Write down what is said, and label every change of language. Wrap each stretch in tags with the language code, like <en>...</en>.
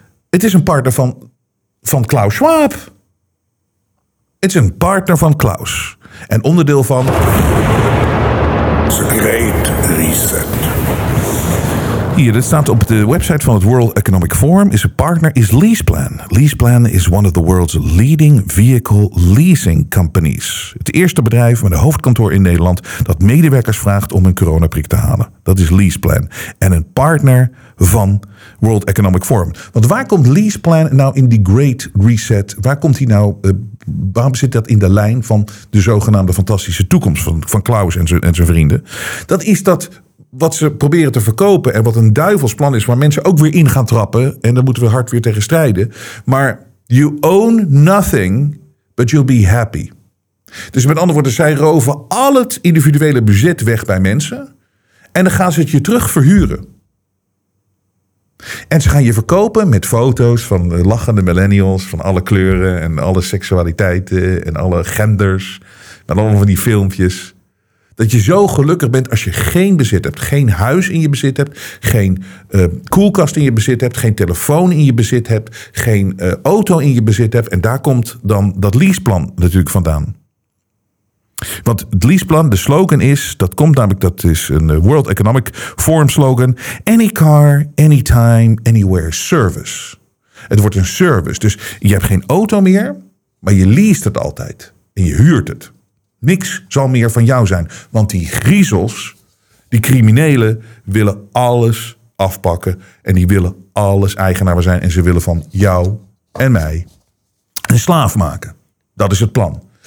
<nl>Het is een partner van Klaus Schwab. Het is een partner van Klaus. En onderdeel van</nl> <en>The Great Reset.</en> <nl>Hier, dat staat op de website van het World Economic Forum.</nl> <en>Is a partner is LeasePlan. LeasePlan is one of the world's leading vehicle leasing companies.</en> <nl>Het eerste bedrijf met een hoofdkantoor in Nederland dat medewerkers vraagt om een coronaprik te halen. Dat is LeasePlan. En een partner van World Economic Forum. Want waar komt LeasePlan nou in die Great Reset? Waar komt hij nou? Waarom zit dat in de lijn van de zogenaamde fantastische toekomst van Klaus en zijn vrienden? Dat is dat wat ze proberen te verkopen en wat een duivelsplan is, waar mensen ook weer in gaan trappen, en daar moeten we hard weer tegen strijden. Maar</nl> <en>you own nothing, but you'll be happy.</en> <nl>Dus met andere woorden, zij roven al het individuele budget weg bij mensen, en dan gaan ze het je terug verhuren. En ze gaan je verkopen met foto's van lachende millennials van alle kleuren en alle seksualiteiten en alle genders, met allemaal van die filmpjes. Dat je zo gelukkig bent als je geen bezit hebt. Geen huis in je bezit hebt. Geen koelkast in je bezit hebt. Geen telefoon in je bezit hebt. Geen auto in je bezit hebt. En daar komt dan dat leaseplan natuurlijk vandaan. Want het leaseplan, de slogan is, dat komt namelijk, dat is een World Economic Forum slogan.</nl> <en>Any car, anytime, anywhere service.</en> <nl>Het wordt een service. Dus je hebt geen auto meer, maar je leest het altijd. En je huurt het. Niks zal meer van jou zijn. Want die griezels, die criminelen, willen alles afpakken. En die willen alles eigenaar zijn. En ze willen van jou en mij een slaaf maken. Dat is het plan.</nl>